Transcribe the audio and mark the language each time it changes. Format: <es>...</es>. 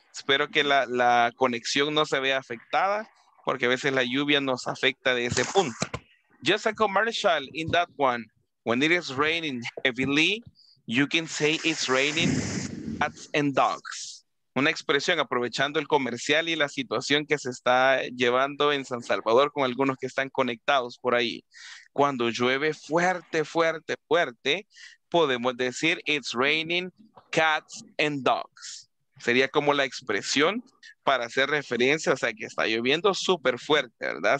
<es>Espero que la conexión no se vea afectada, porque a veces la lluvia nos afecta de ese punto.</es> <en>Just a commercial in that one. When it is raining heavily, you can say it's raining cats and dogs.</en> <es>Una expresión aprovechando el comercial y la situación que se está llevando en San Salvador con algunos que están conectados por ahí. Cuando llueve fuerte, fuerte, fuerte, podemos decir</es> <en>it's raining cats and dogs.</en> <es>Sería como la expresión para hacer referencia, o sea, que está lloviendo súper fuerte, ¿verdad?</es>